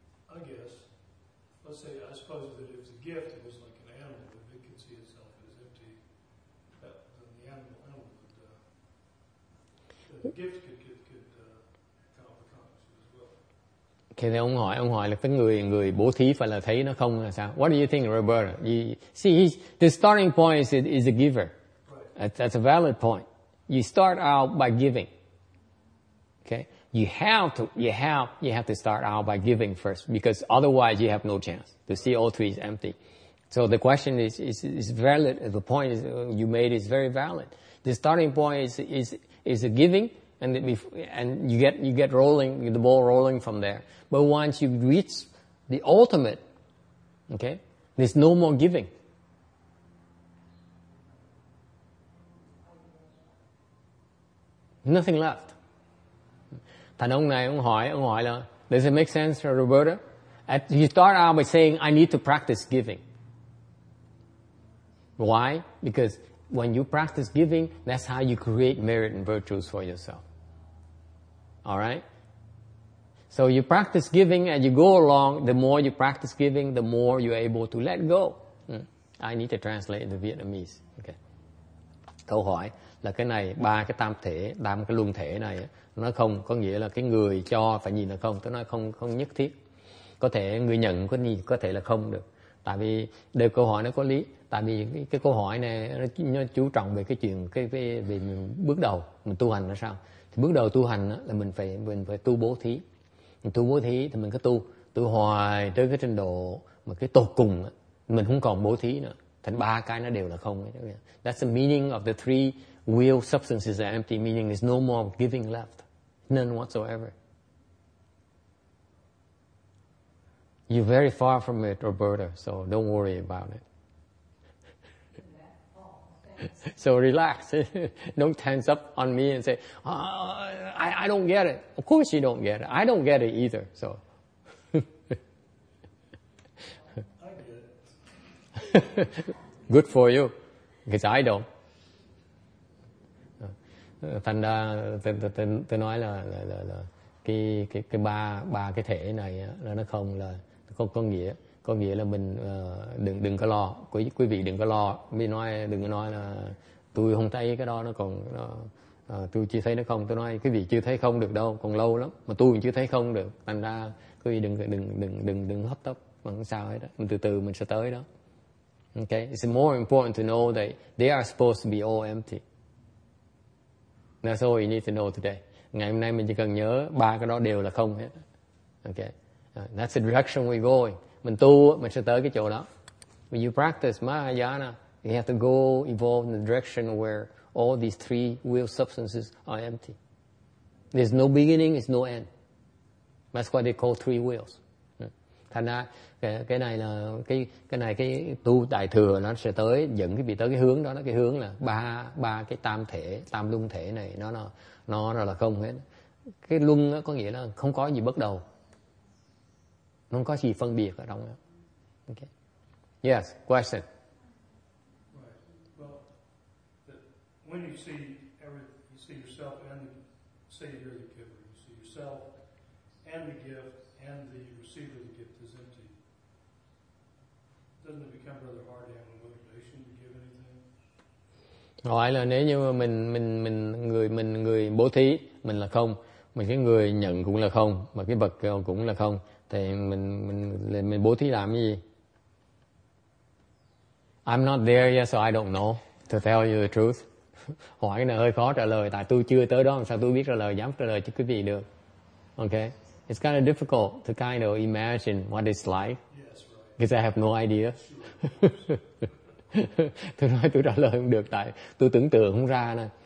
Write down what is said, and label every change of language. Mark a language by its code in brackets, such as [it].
[en] I guess. I suppose that if the gift was like an animal, if it could see itself as empty, then the animal the gift could kind of accomplish as well. [vi] Okay, ông hỏi là cái người bố thí phải là thấy nó không là sao? [en] What do you think, Roberta? The starting point is a giver. Right. That's a valid point. You start out by giving. Okay? You have to start out by giving first, because otherwise you have no chance to see all three is empty. So the question is valid. The point is, you made is very valid. The starting point is a giving, and you get rolling, the ball rolling from there. But once you reach the ultimate, okay, there's no more giving. Nothing left. [vi] Thành ông hỏi là, [en] does it make sense, [vi] Roberta? [en] You start out by saying, I need to practice giving. Why? Because when you practice giving, that's how you create merit and virtues for yourself. All right? So you practice giving and you go along. The more you practice giving, the more you're able to let go. I need to translate into Vietnamese. Okay. [vi] Câu hỏi là cái này, ba cái tam thể, tam cái luân thể này nó không, có nghĩa là cái người cho phải nhìn là không, tôi nói không nhất thiết, có thể người nhận có nhìn, có thể là không được, tại vì đều câu hỏi nó có lý, tại vì cái câu hỏi này nó chú trọng về cái chuyện về bước đầu mình tu hành là sao. Thì bước đầu tu hành là mình phải tu bố thí, mình tu bố thí thì mình cứ tu tôi hoài tới cái trình độ mà cái tột cùng mình không còn bố thí nữa, thành ba cái nó đều là không. [en] That's the meaning of the three wheel substances are empty, meaning there's no more giving left, none whatsoever. You're very far from it, Roberta, so don't worry about it. So relax. Don't tense up on me and say, I don't get it. Of course you don't get it. I don't get it either. So. I get it. Good for you. Because I don't. [vi] Thành ra tôi nói là cái ba cái thể này là nó không là có nghĩa là mình đừng có lo, quý vị đừng có lo, mình nói đừng có nói là tôi không thấy cái đó nó còn nó, tôi chưa thấy nó không, tôi nói quý vị chưa thấy không được đâu, còn lâu lắm mà tôi cũng chưa thấy không được, thành ra quý vị đừng hấp tấp bằng sao hết đó, mình từ từ mình sẽ tới đó. [en] Okay, it's more important to know that they are supposed to be all empty. That's all you need to know today. [vi] Ngày hôm nay mình chỉ cần nhớ ba cái đó đều là không hết. [en] Okay. That's the direction we're going. [vi] Mình tu, mình sẽ tới cái chỗ đó. [en] When you practice Mahayana, you have to go evolve in the direction where all these three wheel substances are empty. There's no beginning, there's no end. That's what they call three wheels. [vi] Thành ra, cái này tu đại thừa nó sẽ tới dẫn cái bị tới cái hướng đó, cái hướng là ba cái tam thể, tam luân thể này nó là không hết. Cái luân có nghĩa là không có gì bắt đầu, không có gì phân biệt ở trong đó. [en] Okay. Yes, question. Right. Well, when you see everything, you see yourself and say you're the giver, you see yourself and the gift and the receiver of the gift is empty. Doesn't it become rather hard to have a motivation to give anything? [vi] Hỏi là nếu như mà mình người bố thí, mình là không, mình cái người nhận cũng là không, mà cái vật cũng là không, thì mình bố thí làm cái gì? [en] I'm not there yet, so I don't know to tell you the truth. [vi] Hỏi này hơi khó trả lời, tại tôi chưa tới đó, làm sao tôi biết trả lời, dám trả lời cho quý vị được? [en] Okay, it's kind of difficult to kind of imagine what it's like, because yes, right. I have no idea. [vi] Tôi nói tôi trả lời không được, tại tôi tưởng tượng không ra nè.